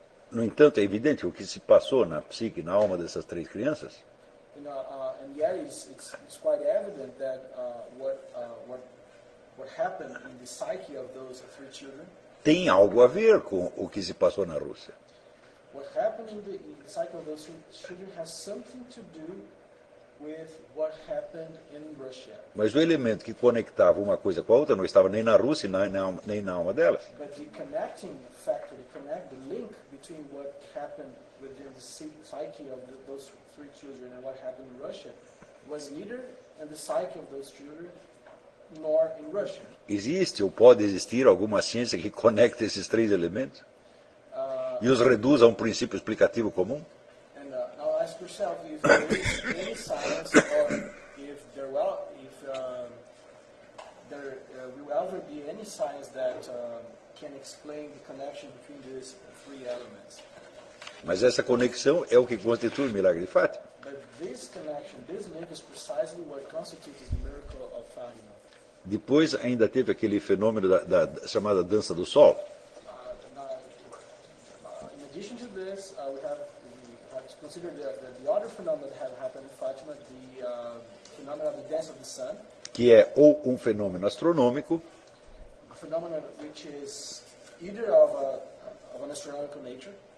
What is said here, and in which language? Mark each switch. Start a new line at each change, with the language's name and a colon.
Portuguese: No entanto, é evidente o que se passou na psique, na alma dessas três crianças.
English: And yet it's quite evident that what happened in the psyche of those three children
Portuguese: tem algo a ver com o que se passou na Rússia.
English: What happened in the psyche of those three children has something to do with what happened in Russia.
Portuguese: Mas o elemento que conectava uma coisa com a outra não estava nem na Rússia, nem na alma delas.
English: But the connecting factor, the link between what happened within the psyche of those three children and what happened in Russia, was neither in the psyche of those children nor in Russia.
Portuguese: Existe ou pode existir alguma ciência que conecte esses três elementos e os reduza a um princípio explicativo comum?
English: Ask yourself if there is any science, or if there will, will ever be any science that can explain the connection between these three elements.
Portuguese: Mas essa conexão é o que constitui o milagre de Fátima.
English: But this connection, this link, is precisely what constitutes the miracle of Fátima.
Portuguese: Depois ainda teve aquele fenômeno da chamada dança do sol.
English: In addition to this, we have. Consider the other phenomenon that have happened in Fátima, the phenomenon of the dance of the sun,
Portuguese: que é ou fenômeno astronômico,
English: a phenomenon which is either of an astronomical nature,